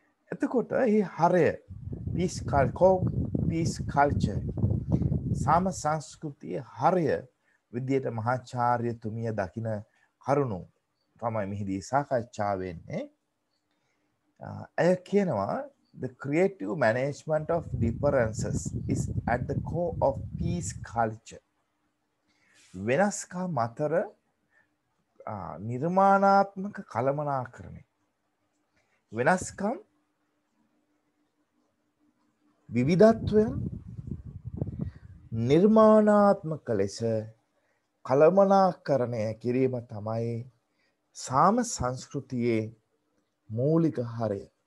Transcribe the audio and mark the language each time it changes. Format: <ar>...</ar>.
<si>එතකොට මේ හරය පීස් කල්චර් සාම සංස්කෘතියේ හරය විදියට මහාචාර්ය තුමිය දකින කරුණු තමයි මෙහිදී සාකච්ඡා වෙන්නේ. ඇය කියනවා</si> <en>the creative management of differences is at the core of peace culture.</en> <si>වෙනස්කම් අතර නිර්මාණාත්මක කළමනාකරණය. වෙනස්කම් විවිධත්වයන් නිර්මාණාත්මක ලෙස කළමනාකරණය කිරීම තමයි සාම සංස්කෘතියේ මූලික හරය.</si>